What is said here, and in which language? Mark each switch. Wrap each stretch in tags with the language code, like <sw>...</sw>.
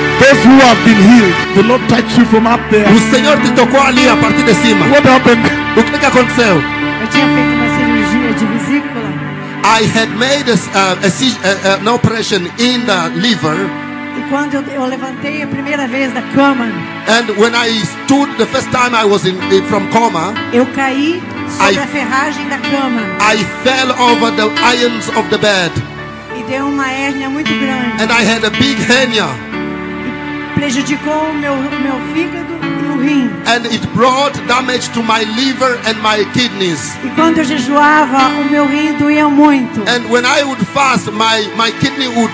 <en>Those who have been healed, the Lord touched you from up there.</en> <pt>O Senhor te tocou ali a partir de cima.</pt> <en>What happened?</en> <pt>O que aconteceu? Eu tinha feito uma cirurgia de vesícula.</pt> <en>I had made an operation in the liver.</en> <pt>E quando eu levantei a primeira vez da cama.</pt> <en>And when I stood the first time I was in from coma.</en> <pt>Eu caí sobre a ferragem da cama.</pt> <en>I fell over the irons of the bed.</en> <pt>E deu uma hérnia muito grande.</pt> <en>And I had a big hernia.</en> <pt>Prejudicou meu fígado e o rim.</pt> <en>And it brought damage to my liver and my kidneys.</en> <pt>E quando eu jejuava, o meu rim doía muito.</pt> <en>And when I would fast, my kidney would.</en>